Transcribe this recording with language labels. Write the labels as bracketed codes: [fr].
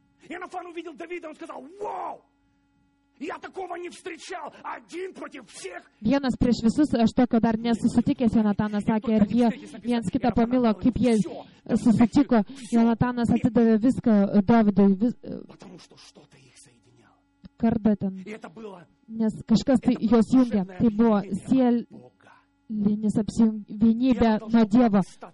[lt] Jonatanas [ru] uvidėl [lt] Davidą, jis [ru] kazal, [lt] wow! [ru] Я такого не встречал. Один против всех. [lt] Vienas prieš visus, aš tokio dar nesusitikęs, Jonatanas sakė, ir jie viens kitą pamilo, kaip jie susitiko. Jonatanas atidavė viską Davidui. [ru] Потому что что-то их соединяло. Карда ten. [lt] Nes kažkas tai jos jungė. Tai buvo sielinis apsivienybė nuo Dievo.